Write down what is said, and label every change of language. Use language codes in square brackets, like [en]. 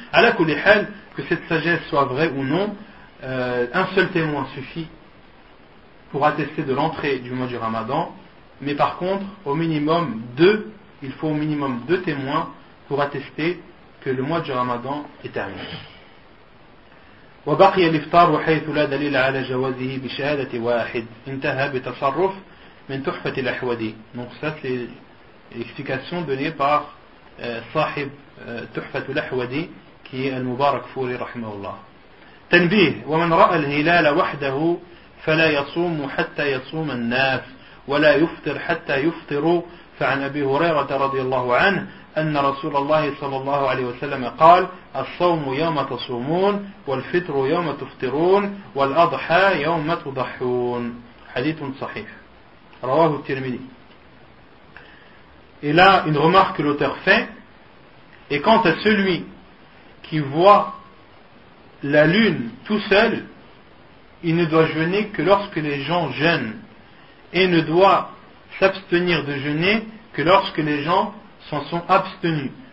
[ar] À la kulli hal, [fr] que cette sagesse soit vraie ou non, un seul témoin suffit pour attester de l'entrée du mois du Ramadan, mais par contre, au minimum deux, il faut au minimum deux témoins pour attester que le mois du Ramadan est terminé. [ar] وبقي الإفطار حيث لا دليل على جوازه بشهادة واحد انتهى بتصرف من تحفة الأحودي. [fr] Donc ça c'est l'explication donnée par صاحب تحفة الأحودي qui est المبارك فوري رحمه الله. [ar] تنبيه ومن رأى الهلال وحده فلا يصوم حتى يصوم الناس ولا يفطر حتى يفطروا. فعن أبي هريرة رضي الله عنه أن رسول الله صلى الله عليه وسلم قال الصوم يوم تصومون والفطر يوم تفطرون والأضحى يوم تضحون. حديث صحيح رواه الترمذي. [fr] Et là une remarque que l'auteur fait, et quant à celui qui voit la lune tout seul, il ne doit jeûner que lorsque les gens jeûnent, et ne doit s'abstenir de jeûner que lorsque les gens s'en sont abstenus.